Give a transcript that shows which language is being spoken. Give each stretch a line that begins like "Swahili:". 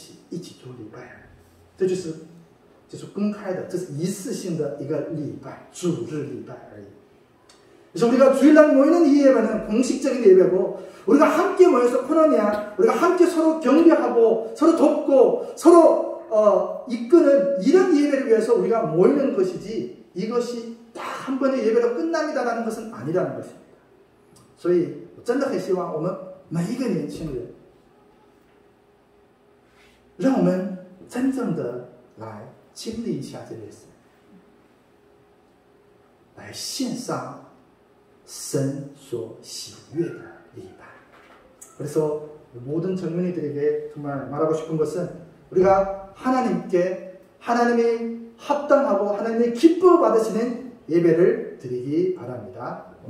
Chinese: 但是教会正规的礼拜是在主耶稣基督复活的时候我们为了相互之间的关系鼓励我们聚在一起一起做礼拜。这就是公开的，这是一次性的一个礼拜，主日礼拜而已。
Korean: 그래서 우리가 주일날 모이는 이 예배는 공식적인 예배고, 우리가 함께 모여서 코너냐, 우리가 함께 서로 격려하고, 서로 돕고, 서로 이끄는 이런 예배를 위해서 우리가 모이는 것이지, 이것이 딱 한 번의 예배로 끝납니다라는 것은 아니라는 것입니다.
Chinese: 所以我真的很希望我们每一个年轻人，让我们 真正的来经历一下这件事，来献上神所喜悦的礼拜。
Korean: 그래서 모든 젊은이들에게 정말 말하고 싶은 것은 우리가 하나님께 하나님이 합당하고 하나님이 기뻐 받으시는 예배를 드리기 바랍니다.